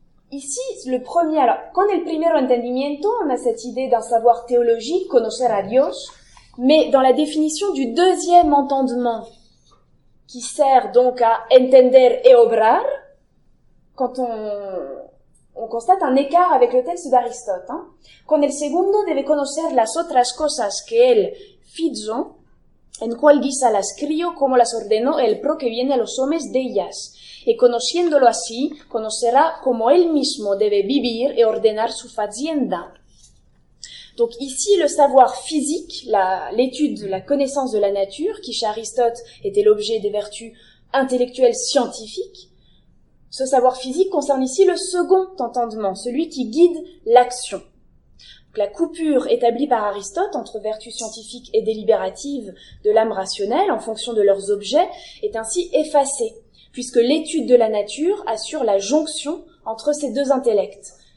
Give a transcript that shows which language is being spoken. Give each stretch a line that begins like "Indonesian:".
French: Ici, le premier, alors,
Spanish: con el primero entendimiento,
French: on a cette idée d'un savoir théologique,
Spanish: conocer a Dios,
French: mais dans la définition du deuxième entendement, qui sert donc à entender et obrar, quand on constate un écart avec le texte d'Aristote.
Spanish: Con el segundo debe conocer las otras cosas que él fizo, en cual guisa las crío como las ordenó el pro que viene a los hombres de ellas, y conociéndolo así, conocerá cómo él mismo debe vivir y ordenar su fazienda.
French: Donc ici, le savoir physique, l'étude, la connaissance de la nature, qui chez Aristote était l'objet des vertus intellectuelles scientifiques, ce savoir physique concerne ici le second entendement, celui qui guide l'action. Donc, la coupure établie par Aristote entre vertus scientifiques et délibératives de l'âme rationnelle, en fonction de leurs objets, est ainsi effacée, puisque l'étude de la nature assure la jonction entre ces deux intellects.